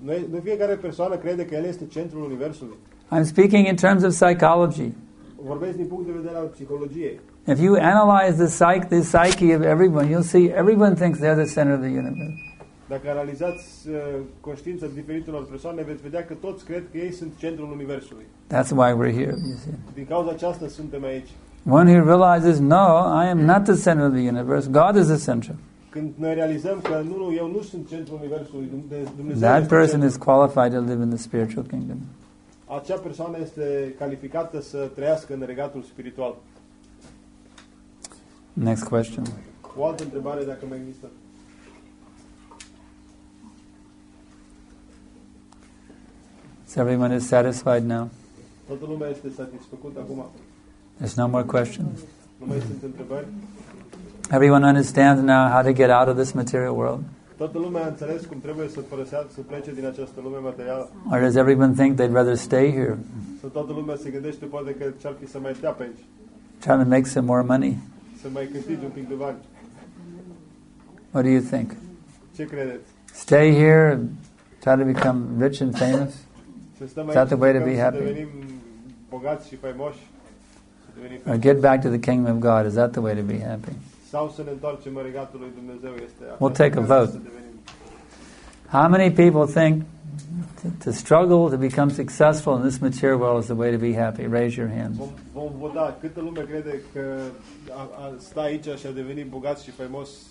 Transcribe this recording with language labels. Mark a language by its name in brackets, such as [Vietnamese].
[Romanian] Nu fiecare persoană crede că el este centrul universului. [English] I'm speaking in terms of psychology. [Romanian] Vorbesc din punct de vedere al psihologiei. [English] If you analyze the psyche of everyone, you'll see everyone thinks they're the center of the universe. [Romanian] Dacă analizați conștiința diferitelor persoane, veți vedea că toți cred că ei sunt centrul universului. [English] That's why we're here, you see. [Romanian] Din cauza aceasta suntem aici. [English] One who realizes, no, I am not the center of the universe. God is the center. [Romanian] Când noi realizăm că nu, eu nu sunt centrul universului, Dumnezeu. [English] That person is qualified to live in the spiritual kingdom. [Romanian] Acea persoană este calificată să trăiască în regatul spiritual. [English] Next question. [Romanian] O altă întrebare, dacă mai există. [English] So everyone is satisfied now. [Romanian] Toată lumea este satisfăcută acum. [English] There's no more questions. [Romanian] Nu mai sunt întrebări. [English] Everyone understands now how to get out of this material world. [Romanian] Toată lumea a înțeles cum trebuie să plece din această lume materială. [English] Or does everyone think they'd rather stay here? [Romanian] Sau toată lumea se gândește poate că ce-ar fi să mai stea pe aici. [English] Trying to make some more money. [Romanian] Să mai câștigi un pic de bani. [English] What do you think? [Romanian] Ce credeți? [English] Stay here and try to become rich and famous? Is that the way to be happy? [Romanian] Bogați și faimoși? [English] Or get back to the kingdom of God? Is that the way to be happy? [Romanian] Sau să ne întoarcem în regatul lui Dumnezeu este. [English] We'll take a vote. How many people think to struggle to become successful in this material world is the way to be happy? Raise your hands. [Romanian] Vom vota. Câtă lume crede că a sta aici și a deveni bogat și faimos?